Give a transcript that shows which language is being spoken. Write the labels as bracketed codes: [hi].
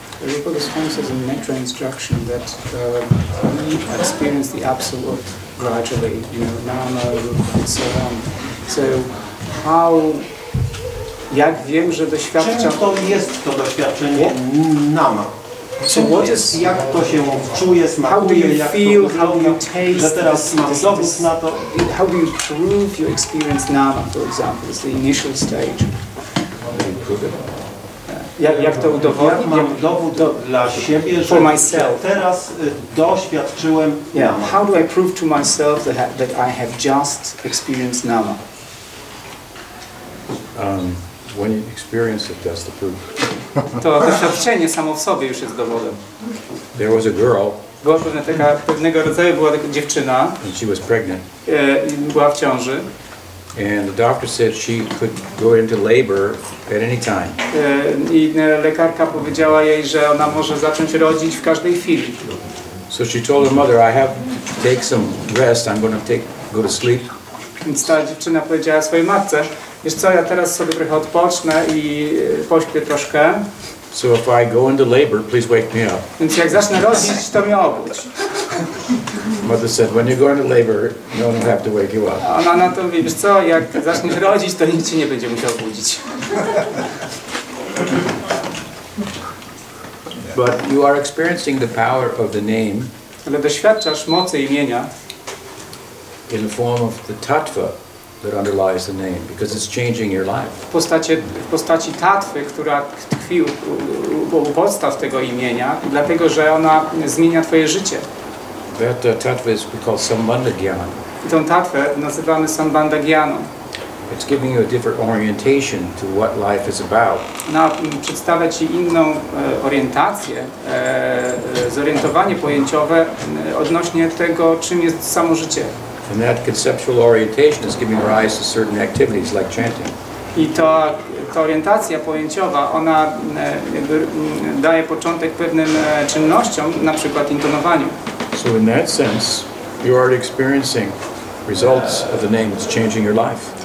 [en] Rupa Goswami says in Nectar Instruction that we experience the absolute gradually, you know, nama, rupa, and so on. So how, [pl] jak wiem, że doświadczam... Czym to jest to doświadczenie nama? [en] So what is, [pl] jak to się czuje, smakuje, jak [en] feel, [pl] to wygląda, że teraz mam dowód na to? [en] How do you prove your experience nama, for example, is the initial stage? [pl] Jak to udowodnić? Jak mam dowód dla siebie, że [en] myself. [pl] Teraz doświadczyłem nama. [en] How do I prove to myself that I have just experienced nama? When you experience it, that's the proof. [pl] To doświadczenie samo w sobie już jest dowodem. [en] There was a girl. [pl] Była pewna taka, pewnego rodzaju była taka dziewczyna. [en] And she was pregnant. [pl] Była w ciąży. [en] And the doctor said she could go into labor at any time. [pl] I lekarka powiedziała jej, że ona może zacząć rodzić w każdej chwili. [en] So she told her mother, I have to take some rest. I'm going to go to sleep. [pl] Więc ta dziewczyna powiedziała swojej matce, wiesz co, ja teraz sobie trochę odpocznę i pośpię troszkę. [en] So if I go into labor, please wake me up. [pl] Więc jak zacznę rodzić, to mnie obudź. [en] Mother said, when you go into labor, no one will have to wake you up. [pl] Ona na to mówi, wiesz co, jak zaczniesz rodzić, to nikt cię nie będzie musiał budzić. [en] But you are experiencing the power of the name. [pl] Ale doświadczasz mocy imienia. [en] In the form of the tattva that underlies the name, because it's changing your life. [pl] W postaci tattwy, która tkwi u podstaw tego imienia, dlatego że ona zmienia twoje życie. [en] That tattva is called Sambandha Gyan. [pl] I tą tattwę nazywamy Sambandha Gyanu. [en] It's giving you a different orientation to what life is about. [pl] Ona przedstawia ci inną orientację, zorientowanie pojęciowe odnośnie tego, czym jest samo życie. [en] And that conceptual orientation is giving rise to certain activities like chanting. [pl] I ta orientacja pojęciowa, ona daje początek pewnym czynnościom, na przykład intonowaniu. [en] So in that sense, you are experiencing results of the name that's changing your life.